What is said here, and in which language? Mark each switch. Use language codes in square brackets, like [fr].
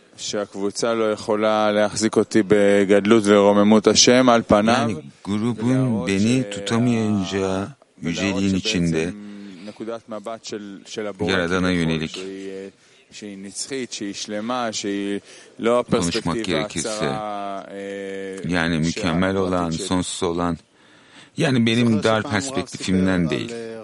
[he] שהקבוצה לא יכולה להחזיק אותי בגדלות ורוממות השם על פניו. [tr] Yani grubun beni tutamayacağı yüceliğin içinde [he] נקודת מבט של [tr] Yaradan'a yönelik [he] שהיא נצחית, שהיא שלמה, שהיא לא הפרספקטיבה הקצרה. [tr] Yani mükemmel olan, sonsuz olan. Yani benim dar perspektifimden değil.